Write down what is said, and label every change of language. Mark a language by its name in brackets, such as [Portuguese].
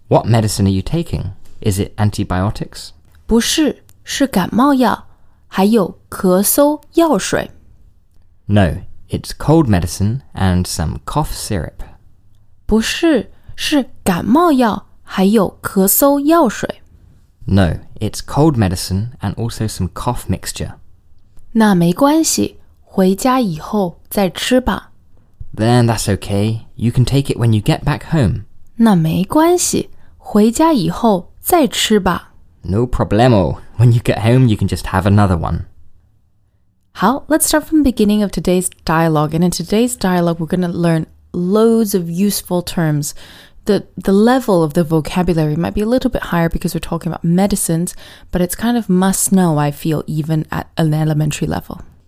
[English] What medicine are you taking? Is it antibiotics? [Chinese] 不是，是感冒药，还有咳嗽药水。 [English] No. It's cold medicine and some cough syrup. [Chinese] 不是，是感冒药，还有咳嗽药水。 [English] No, it's cold medicine and also some cough mixture. [Chinese] 那没关系，回家以后再吃吧。 [English] Then that's okay. You can take it when you get back home. [Chinese] 那没关系，回家以后再吃吧。 [English] No problemo. When you get home, you can just have another one. 好, let's start from the beginning of today's dialogue. And in today's dialogue, we're going to learn loads of useful terms. The level of the vocabulary might be a little bit higher because we're talking about medicines, but it's kind of must know, I feel, even at an elementary level.